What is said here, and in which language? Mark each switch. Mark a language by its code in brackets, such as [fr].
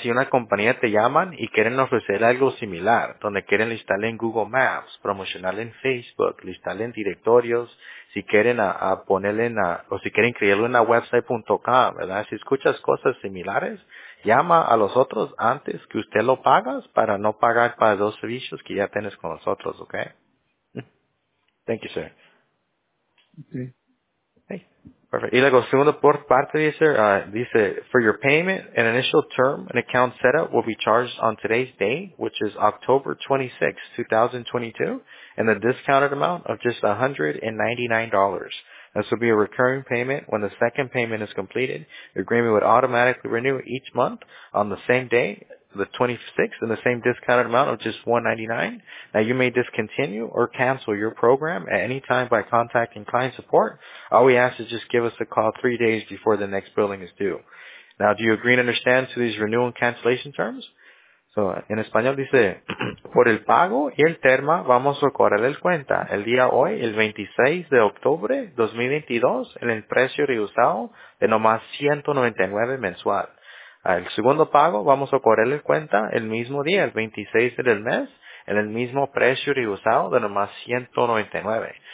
[es] Si una compañía te llaman y quieren ofrecer algo similar, donde quieren listarle en Google Maps, promocionarle en Facebook, listarle en directorios, si quieren a ponerle en, a, o si quieren crearle una website.com, ¿verdad? Si escuchas cosas similares, llama a los otros antes que usted lo pagas para no pagar para dos servicios que ya tienes con nosotros, ¿ok? [en] Thank you, sir. Okay. Hey. Perfect. [es] Y luego, segunda por parte, dice, dice, [en] for your payment, an initial term and account setup will be charged on today's date, which is October 26, 2022, and the discounted amount of just $199. This will be a recurring payment. When the second payment is completed, the agreement would automatically renew each month on the same day, the 26th, and the same discounted amount of just $199. Now, you may discontinue or cancel your program at any time by contacting client support. All we ask is just give us a call 3 days before the next billing is due. Now, do you agree and understand to these renewal and cancellation terms? [es] So, en español dice, por el pago y el termo, vamos a cobrar el cuenta el día hoy, el 26 de octubre 2022, en el precio reusado de nomás $199 mensual. El segundo pago, vamos a cobrarle cuenta el mismo día, el 26 del mes, en el mismo precio reusado de nomás $199.